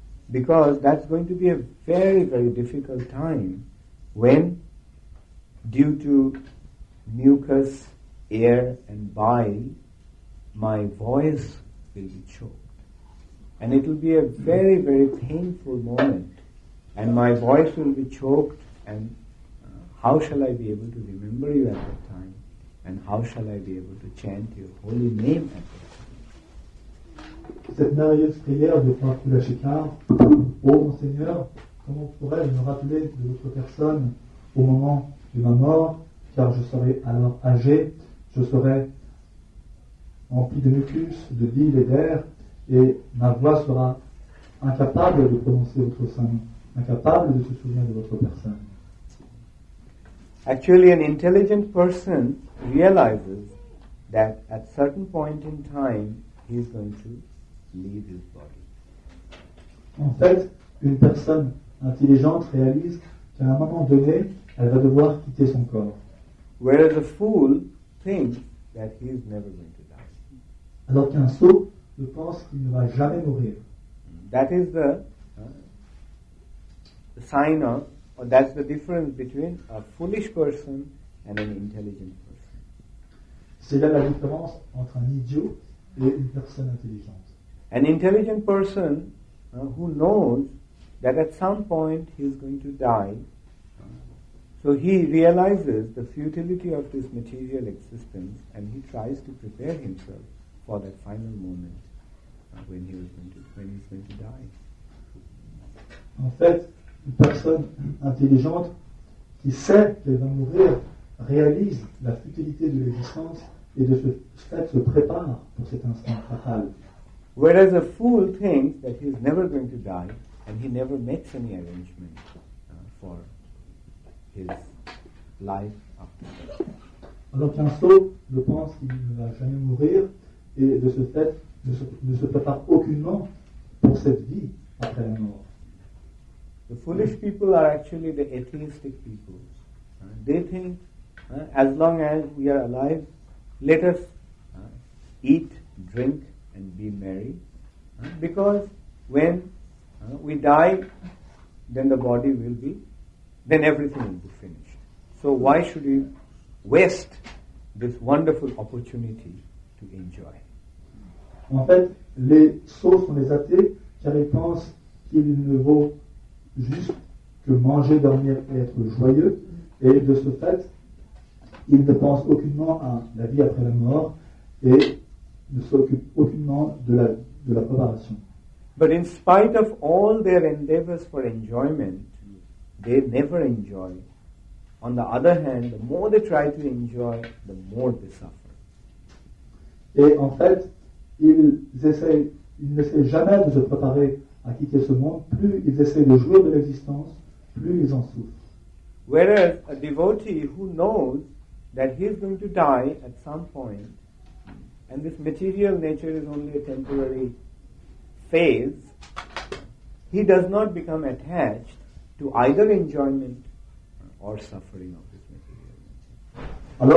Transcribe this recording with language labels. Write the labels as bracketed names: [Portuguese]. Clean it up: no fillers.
[English] Because that's going to be a very, very difficult time when, due to mucus, air and bile, my voice will be choked. And it will be a very, very painful moment. And my voice will be choked. And how shall I be able to remember you at that time? And how shall I be able to chant your holy name at that time? [French] Cette merveilleuse prière de Prince Kulashekhar, ô mon Seigneur, comment pourrais-je me rappeler de votre personne au moment de ma mort, car je serai alors âgé, je serai rempli de mucus, de bile et d'air, et ma voix sera incapable de prononcer votre saint nom, incapable de se souvenir de votre personne. [English] Actually, an intelligent person realizes that at certain point in time he is going to leave his body. [French] En fait, une personne intelligente réalise qu'à un moment donné, elle va devoir quitter son corps. [English] Whereas a fool thinks that he is never going to die. [French] Alors qu'un sot ne pense qu'il ne va jamais mourir. [English] That is the sign of. Or that's the difference between a foolish person and an intelligent person. [French] C'est là la différence entre un idiot et une personne intelligente. [English] An intelligent person who knows that at some point he is going to die, so he realizes the futility of this material existence and he tries to prepare himself for that final moment when he's going to die. [French] En fait, une personne intelligente qui sait qu'elle va mourir réalise la futilité de l'existence et de ce fait se prépare pour cet instant fatal. [English] Whereas a fool thinks that he is never going to die and he never makes any arrangement for his life after death. [French] Alors qu'un sot ne pense qu'il ne va jamais mourir et de ce fait ne se prépare aucunement pour cette vie après la mort. [English] The foolish people are actually the atheistic people. They think, as long as we are alive, let us eat, drink, and be merry. Because when we die, then the body will be, then everything will be finished. So why should we waste this wonderful opportunity to enjoy? [French] En fait, les sots sont les athées, car ils pensent qu'il ne vaut juste que manger, dormir et être joyeux, et de ce fait, ils ne pensent aucunement à la vie après la mort et ne s'occupent aucunement de la préparation. [English] But in spite of all their endeavors for enjoyment, they never enjoy. On the other hand, the more they try to enjoy, the more they suffer. [French] Et en fait, ils n'essayent jamais de se préparer à quitter ce monde. Plus ils essaient de jouir de l'existence, plus ils en souffrent. [English] Whereas a devotee who knows that he is going to die at some point, and this material nature is only a temporary phase, he does not become attached to either enjoyment or suffering of this material nature.